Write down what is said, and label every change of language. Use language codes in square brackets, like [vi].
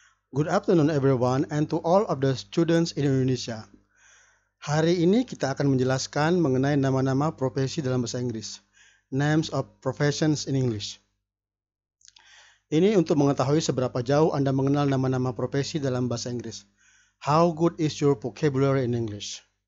[en] Good afternoon everyone and to all of the students in Indonesia. [id] Hari ini kita akan menjelaskan mengenai nama-nama profesi dalam bahasa Inggris. [en] Names of professions in English. [id] Ini untuk mengetahui seberapa jauh Anda mengenal nama-nama profesi dalam bahasa Inggris. [en] How good is your vocabulary in English?